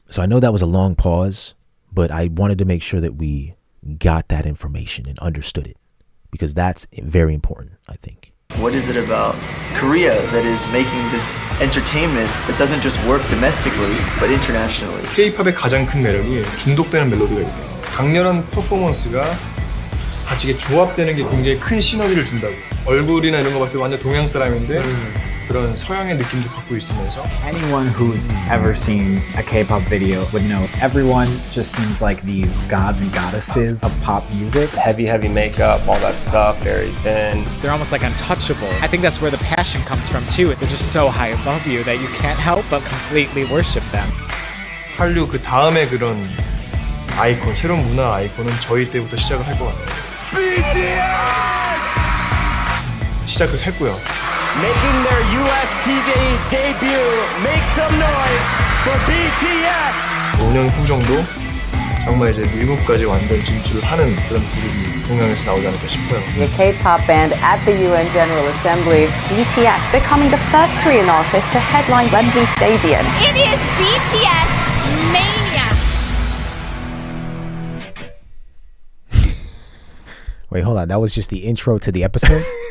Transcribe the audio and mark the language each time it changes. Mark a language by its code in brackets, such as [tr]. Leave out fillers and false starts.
[en] So I know that was a long pause, but I wanted to make sure that we got that information and understood it, because that's very important, I think. What is it about Korea that is making this entertainment that doesn't just work domestically, but internationally? [ko] K-pop의 가장 큰 매력이 중독되는 멜로디가 있다. 강렬한 퍼포먼스가 같이 이게 조합되는 게 굉장히 큰 시너지를 준다고. 얼굴이나 이런 거 봤을 때 완전 동양 사람인데 그런 서양의 느낌도 갖고 있으면서. [en] Anyone who's ever seen a K-pop video would know everyone just seems like these gods and goddesses of pop music. Heavy makeup, all that stuff, very thin. They're almost like untouchable. I think that's where the passion comes from too. They're just so high above you that you can't help but completely worship them. [ko] 한류 그 다음에 그런 아이콘, 새로운 문화 아이콘은 저희 때부터 시작을 할 것 같아요. [en] BTS! [ko] 시작을 했고요. [en] Making their US TV debut, make some noise for BTS! [ko] 5년 후 정도 정말 이제 미국까지 완전 진출하는 그런 그룹이 공연에서 나오지 않을까 싶어요. [en] The K-pop band at the UN General Assembly, BTS, becoming the first Korean artist to headline Wembley Stadium. It is BTS mania. Wait, hold on. That was just the intro to the episode?